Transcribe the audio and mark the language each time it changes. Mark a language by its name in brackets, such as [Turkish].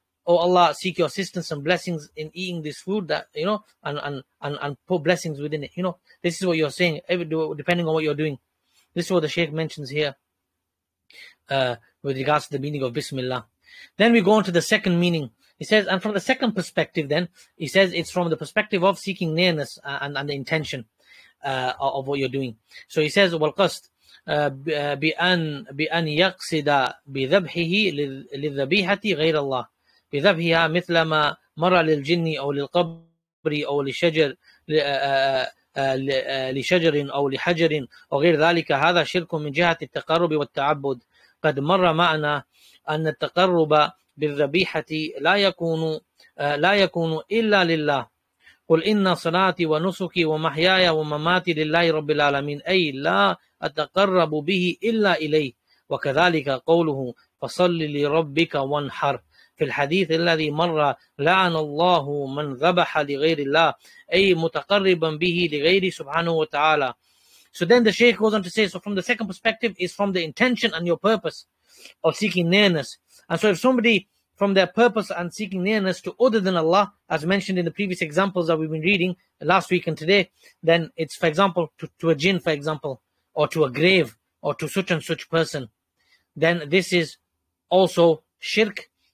[English] Oh Allah, seek your assistance and blessings in eating this food, that, you know, and put blessings within it. You know, this is what you're saying, depending on what you're doing. This is what the Shaykh mentions here with regards to the meaning of Bismillah. Then we go on to the second meaning. He says, and from the second perspective then, he says it's from the perspective of seeking nearness and the intention of what you're doing. So he says, [Arabic] وَالْقَصْدُ بِأَنْ يَقْصِدَ بِذَبْحِهِ لِلذَّبِيحَةِ غَيْرَ اللَّهِ بِذَبْحِهَا مِثْلَ مَا مَرَى لِلْجِنِّ أَوْ لِلْقَبْرِ أَوْ لِشَجَرٍ أَوْ لِحَجَرٍ أَوْ غَيْرَ ذَلِكَ هَذَا شِرْكٌ مِنْ جِهَةِ التَّقَرُّبِ وَالتَّعَبُّدِ قَدْ مَرَّ مَعْنَا أَنَّ التَّقَرُّبَ بالذبيحة لا يكون إلا لله قل إن صلاتي ونسكي ومحياي ومماتي لله رب العالمين أي لا أتقرب به إلا إليه وكذلك قوله فصل لربك وانحر في الحديث الذي مر لعن الله من ذبح لغير الله أي متقربا به لغير سبحانه وتعالى. [English] So then the Shaykh goes on to say, so from the second perspective is from the intention and your purpose. of seeking nearness. And so if somebody, from their purpose and seeking nearness to other than Allah, as mentioned in the previous examples that we've been reading last week and today, then it's, for example, to a jinn, for example, or to a grave, or to such and such person, then this is also shirk.